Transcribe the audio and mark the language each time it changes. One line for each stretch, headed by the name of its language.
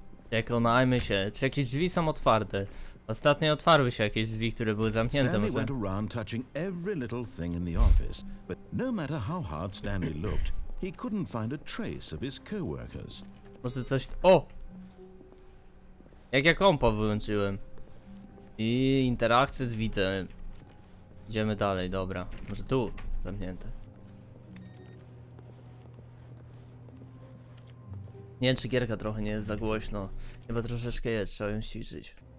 Polish: Przekonajmy się. Czy jakieś drzwi są otwarte? Ostatnio otwarły się jakieś drzwi, które były zamknięte.
English: Stanley went around touching every little thing in the office, but no matter how hard Stanley looked, he couldn't find a trace of his co-workers.
Polish: Może coś... O! Jak ja kompa wyłączyłem. I interakcje z widzem. Idziemy dalej, dobra. Może tu zamknięte. Nie wiem, czy gierka trochę nie jest za głośno. Chyba troszeczkę jest, trzeba ją ściszyć.